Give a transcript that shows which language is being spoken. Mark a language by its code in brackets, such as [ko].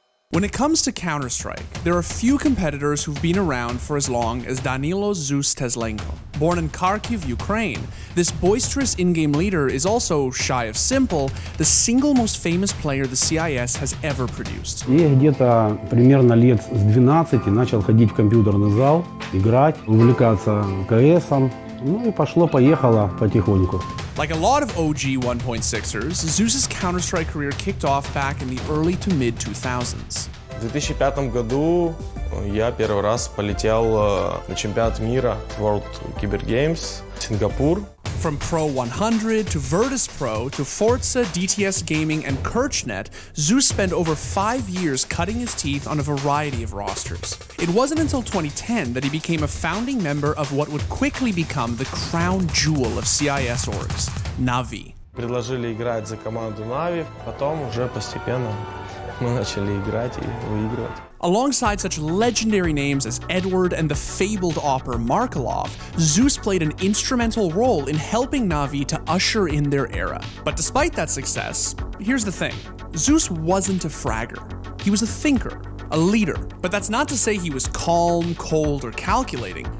[en] When it comes to Counter-Strike, there are few competitors who've been around for as long as Danilo Zeus Teslenko. Born in Kharkiv, Ukraine, this boisterous in-game leader is also, shy of simple, the single most famous player the CIS has ever produced. [ru] И где-то примерно лет с 12 начал ходить в компьютерный зал, играть, увлекаться КСом. Ну и пошло-поехало потихоньку. [en] Like a lot of OG 1.6ers, Zeus's Counter-Strike career kicked off back in the early to mid-2000s. [ru] В 2005 году я первый раз полетел на чемпионат мира World Cyber Games в Сингапур. [en] From Pro 100 to Virtus Pro to Forza, DTS Gaming, and Kirchnet, Zeus spent over 5 years cutting his teeth on a variety of rosters. It wasn't until 2010 that he became a founding member of what would quickly become the crown jewel of CIS orgs, Na'Vi. [ru] Предложили играть за команду Na'Vi, потом уже постепенно мы начали играть и выигрывать. [en] Alongside such legendary names as Edward and the fabled opera Markelov, Zeus played an instrumental role in helping Na'Vi to usher in their era. But despite that success, here's the thing. Zeus wasn't a fragger. He was a thinker, a leader. But that's not to say he was calm, cold, or calculating.